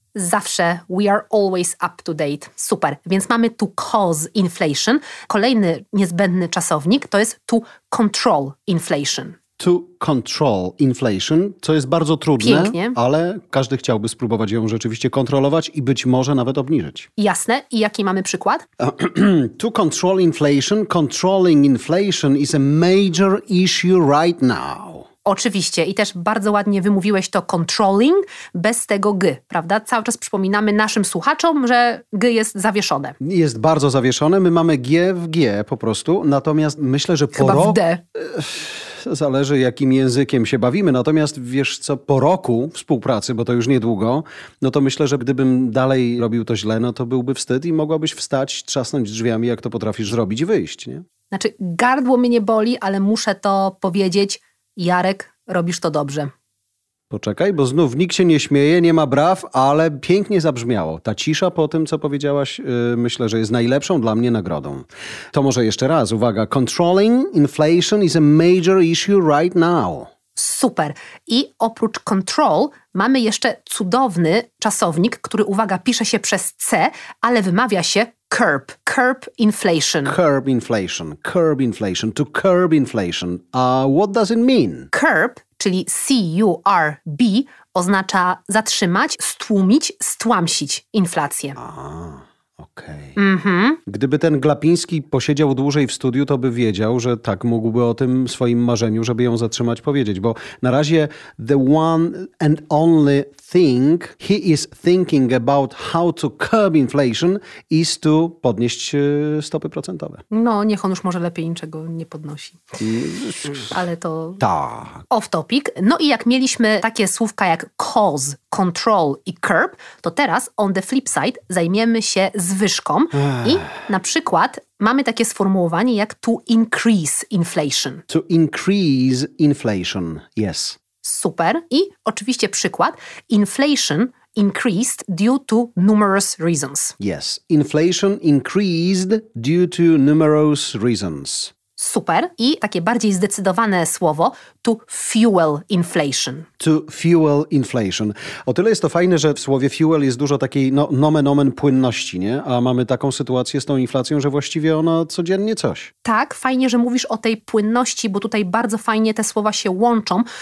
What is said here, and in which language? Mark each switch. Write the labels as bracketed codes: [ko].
[pl] Zawsze. [en] We are always up to date. Super. [pl] Więc mamy [en] to cause inflation. [pl] Kolejny niezbędny czasownik to jest [en] to control inflation. To control inflation, [pl] co jest bardzo trudne, pięknie, ale każdy chciałby spróbować ją rzeczywiście kontrolować i być może nawet obniżyć. Jasne. I jaki mamy przykład? [en] To control inflation, controlling inflation is a major issue right now. [pl] Oczywiście. I też bardzo ładnie wymówiłeś to controlling bez tego g, prawda? Cały czas przypominamy naszym słuchaczom, że g jest zawieszone. Jest bardzo zawieszone. My mamy g w g po prostu. Natomiast myślę, że chyba po roku... Zależy, jakim językiem się bawimy. Natomiast wiesz co, po roku współpracy, bo to już niedługo, no to myślę, że gdybym dalej robił to źle, no to byłby wstyd i mogłabyś wstać, trzasnąć drzwiami, jak to potrafisz zrobić, i wyjść, nie? Znaczy, gardło mnie boli, ale muszę to powiedzieć. Jarek, robisz to dobrze. Poczekaj, bo znów nikt się nie śmieje, nie ma braw, ale pięknie zabrzmiało. Ta cisza po tym, co powiedziałaś, myślę, że jest najlepszą dla mnie nagrodą. To może jeszcze raz, uwaga. [en] Controlling inflation is a major issue right now. [pl] Super. I oprócz control mamy jeszcze cudowny czasownik, który, uwaga, pisze się przez C, ale wymawia się curb. [en] Curb inflation. Curb inflation. Curb inflation. To curb inflation. What does it mean? [pl] Curb, czyli C-U-R-B, oznacza zatrzymać, stłumić, stłamsić inflację. Okej. Okay. Mm-hmm. Gdyby ten Glapiński posiedział dłużej w studiu, to by wiedział, że tak mógłby o tym swoim marzeniu, żeby ją zatrzymać, powiedzieć. [en] Bo na razie the one and only thing he is thinking about how to curb inflation is to [pl] podnieść stopy procentowe. No, niech on już może lepiej niczego nie podnosi. Ale to tak. [en] Off topic. [pl] No i jak mieliśmy takie słówka jak cause, control i curb, to teraz [en] on the flip side [pl] zajmiemy się zwyżką i na przykład mamy takie sformułowanie jak [en] to increase inflation. To increase inflation, yes. [pl] Super. I oczywiście przykład. [en] Inflation increased due to numerous reasons. Yes. Inflation increased due to numerous reasons. [pl] Super. I takie bardziej zdecydowane słowo [en] to fuel inflation. To fuel inflation. [pl] O tyle jest to fajne, że w słowie fuel jest dużo takiej nomen omen płynności, nie? A mamy taką sytuację z tą inflacją, że właściwie ona codziennie coś. Tak, fajnie, że mówisz o tej płynności, bo tutaj bardzo fajnie te słowa się łączą.